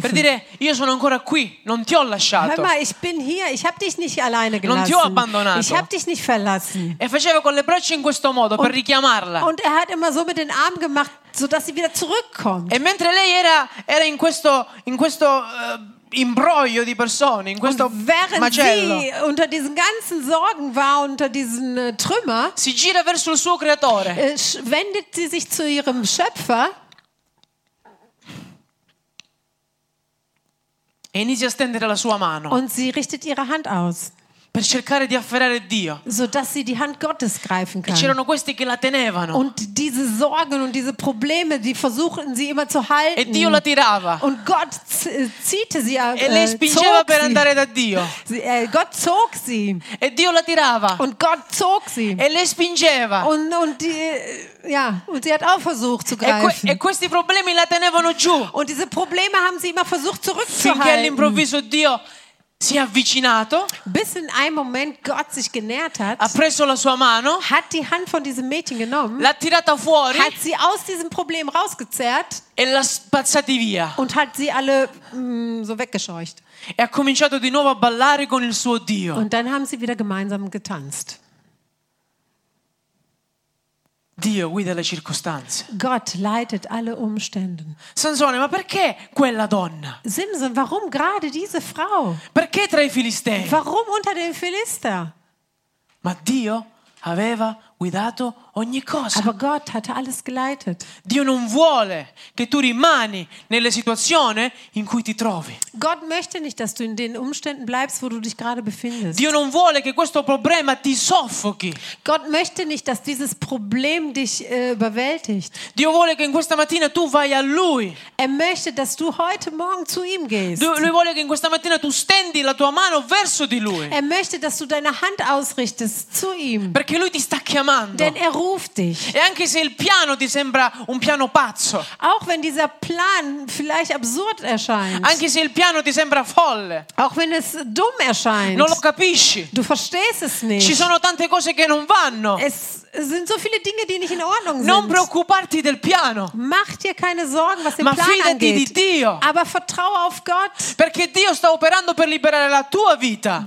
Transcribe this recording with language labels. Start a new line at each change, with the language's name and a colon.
Italian: per dire io sono ancora qui, non ti ho lasciato,
German: hör mal, ich bin hier, ich habe dich nicht alleine gelassen,
Italian: non ti ho abbandonato,
German: ich habe dich nicht verlassen,
Italian: e faceva con le braccia in questo modo per richiamarla,
German: und er hat immer so mit den Armen gemacht, so dass sie wieder zurückkommt.
Italian: E mentre lei era in questo imbroglio di persone, in questo macello,
German: sie unter diesen ganzen Sorgen war, unter diesen Trümmer,
Italian: si gira verso il suo creatore,
German: wendet sie sich zu ihrem Schöpfer,
Italian: e inizia a stendere la sua mano,
German: und sie richtet ihre Hand aus,
Italian: per cercare di afferrare Dio,
German: so dass sie die Hand Gottes greifen kann.
Italian: E c'erano questi che la tenevano.
German: Und diese Sorgen und diese Probleme, die versuchten sie immer zu halten.
Italian: E Dio la tirava.
German: Und Gott ziehte sie.
Italian: E lei spingeva per andare da Dio.
German: Gott zog sie.
Italian: E Dio la tirava.
German: Und Gott zog sie.
Italian: E lei spingeva.
German: Und sie hat auch versucht zu greifen.
Italian: E questi problemi la tenevano giù.
German: Und diese Probleme haben sie immer versucht zurückzuhalten.
Italian: Finché all'improvviso Dio si è avvicinato,
German: bis in einem Moment Gott sich genähert hat,
Italian: ha preso la sua mano,
German: hat die Hand von diesem Mädchen genommen,
Italian: l'ha tirata fuori,
German: hat sie aus diesem Problem rausgezerrt,
Italian: e l'ha spazzati via,
German: und hat sie alle so weggescheucht.
Italian: E ha cominciato di nuovo a ballare con il suo Dio.
German: Und dann haben sie wieder gemeinsam getanzt.
Italian: Dio guida le circostanze.
German: Gott leitet alle Umstände.
Italian: Sansone, ma perché quella donna?
German: Simson, warum gerade diese Frau?
Italian: Perché tra i Filistei?
German: Warum unter den Philister?
Italian: Ma Dio aveva guidato ogni cosa.
German: Aber Gott hatte alles geleitet.
Italian: Dio non vuole che tu rimani nelle situazioni in cui ti trovi.
German: Gott möchte nicht, dass du in den Umständen bleibst, wo du dich gerade befindest.
Italian: Dio non vuole che questo problema ti soffochi.
German: Gott möchte nicht, dass dieses Problem dich überwältigt.
Italian: Dio vuole che in questa mattina tu vai a lui.
German: Er möchte, dass du heute morgen zu ihm gehst.
Italian: Lui vuole che in questa mattina tu stendi la tua mano verso di lui.
German: Er möchte, dass du deine Hand ausrichtest zu ihm.
Italian: Perché lui ti sta chiamando.
German: Denn er ruft dich.
Italian: E anche se il piano ti sembra un piano pazzo.
German: Auch wenn dieser Plan vielleicht absurd erscheint.
Italian: Anche se il piano ti sembra folle.
German: Auch wenn es dumm erscheint.
Italian: Non lo capisci.
German: Du verstehst es nicht.
Italian: Ci sono tante cose che non vanno.
German: Es sind so viele Dinge, die nicht in Ordnung sind.
Italian: Non preoccuparti del piano.
German: Mach dir keine Sorgen, was den
Italian: Ma
German: Plan angeht.
Italian: Ma fidati di Dio.
German: Aber vertraue auf Gott.
Italian: Perché Dio sta operando per liberare la tua vita.